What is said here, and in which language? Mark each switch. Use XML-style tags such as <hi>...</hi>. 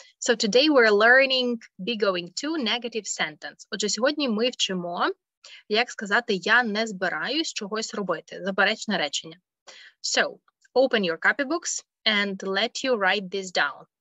<en>So today we're learning be going to negative sentence.</en> <uk>Отже, сьогодні ми вчимо, як сказати «я не збираюсь чогось робити», заперечне речення.</uk> <en>So, open your copybooks and let you write this down.</en>